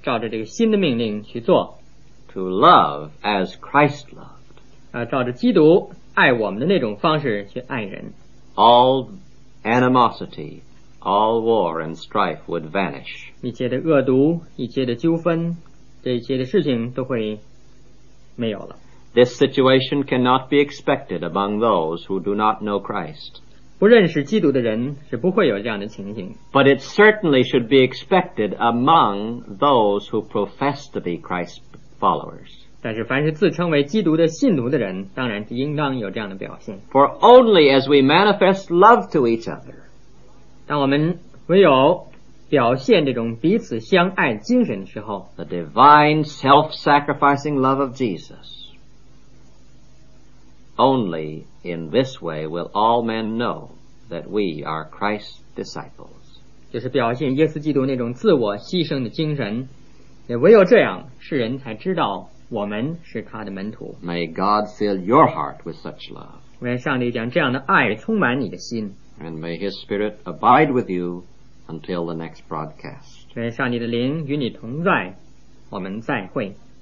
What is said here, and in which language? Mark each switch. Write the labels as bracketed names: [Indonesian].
[Chinese] 要这世上的人如果能够照着这个新的命令去做, [English] to love as Christ loved, [Chinese] 照着基督爱我们的那种方式去爱人, [English] all animosity, all war and strife would vanish. [Chinese] 一切的恶毒,一切的纠纷,这一切的事情都会没有了. [English] This situation cannot be expected among those who do not know Christ. [Chinese] 不认识基督的人是不会有这样的情形。 [English] But it certainly should be expected among those who profess to be Christ's followers. [Chinese] 但是凡是自称为基督的信徒的人，当然是应当有这样的表现。 [English] For only as we manifest love to each other, [Chinese] 当我们唯有表现这种彼此相爱精神的时候 [English] ，the divine self-sacrificing love of Jesus. Only in this way will all men know that we are Christ's disciples. [Chinese] 就是表现耶稣基督那种自我牺牲的精神，也唯有这样，世人才知道我们是他的门徒。 [English] May God fill your heart with such love. [Chinese] 愿上帝将这样的爱充满你的心。 [English] And may His Spirit abide with you until the next broadcast. [Chinese] 愿上帝的灵与你同在，我们再会。